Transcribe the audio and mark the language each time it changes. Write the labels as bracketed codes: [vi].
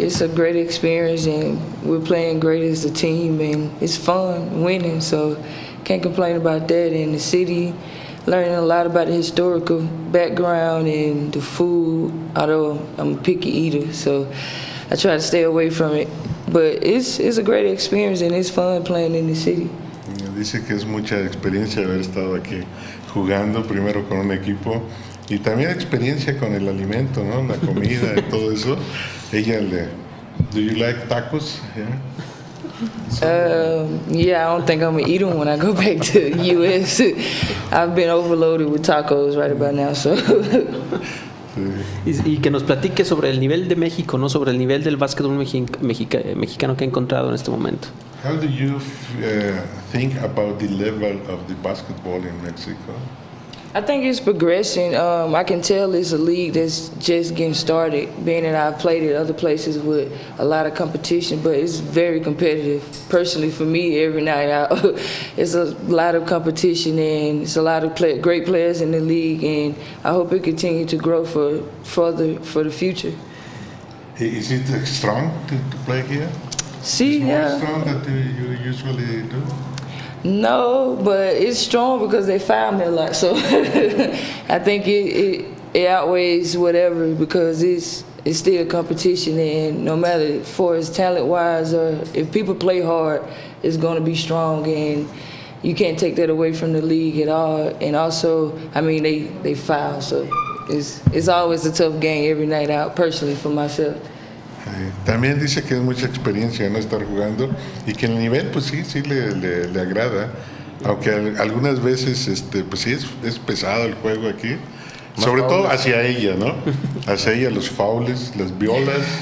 [en] It's a great experience and we're playing great as a team and it's fun winning, so... Can't complain about that. In the city, learning a lot about the historical background and the food. Although I'm a picky eater, so I try to stay away from it. But it's a great experience and it's fun playing in the city. [es] Dice que es mucha experiencia haber estado aquí jugando primero con un equipo y también experiencia con el alimento, ¿no? La comida y todo eso. Ella le, [en] do you like tacos? Yeah. Yeah, I don't think I'm gonna eat them when I go back to the U.S. I've been overloaded with tacos right about now, so. [es] Y que nos platique sobre el nivel de México, no, sobre el nivel del básquetbol mexicano que ha encontrado en este momento. [en] How do you think about the level of the basketball in Mexico? I think it's progressing. I can tell it's a league that's just getting started, being that I've played at other places with a lot of competition, but it's very competitive. Personally, for me, every night, it's a lot of competition and it's a lot of great players in the league, and I hope it continues to grow for the future. Is it strong to play here? [es] Sí, [en] it's more yeah. strong than you usually do? No, but it's strong because they foul me a lot. So I think it outweighs whatever because it's still a competition. And no matter for as talent wise or if people play hard, it's going to be strong. And you can't take that away from the league at all. And also, I mean, they foul, so it's always a tough game every night out, personally for myself. [es] También dice que es mucha experiencia no estar jugando y que el nivel pues sí le agrada, aunque algunas veces pues sí es pesado el juego aquí. Más sobre faules. Todo hacia ella, ¿no? Hacia ella, los faules, las violas.